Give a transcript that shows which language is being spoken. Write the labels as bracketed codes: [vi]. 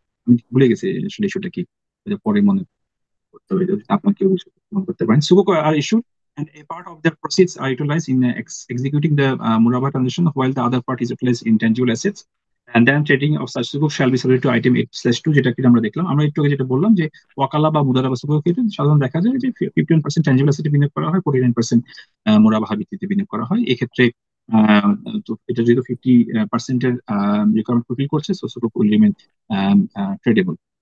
[bn] আমি ভুলে গেছি আসলে ইস্যুটা কি, পরে মনে করতে হবে যদি আপনার কেউ মনে করতে পারেন। সুকুক আর issue [en] and a part of their proceeds are utilized in executing the Murabba transaction while the other part is utilized in tangible assets and then trading of such sukuk shall be subject to item 8/2 [bn] যেটা কি আমরা দেখলাম। আমরা একটু আগে যেটা বললাম যে ওয়াকালা বা মুদারাবা সুকুক ক্ষেত্রে সাধারণত দেখা যায় যে 51% tangible asset বিনিয়োগ করা হয়, 49% মুরাবাহা ভিত্তিতে বিনিয়োগ করা হয়। এক্ষেত্রে তো এটা যেহেতু 50% এর রিকোয়ারমেন্ট ফুলফিল করছে, [en] So sukuk will remain tradable.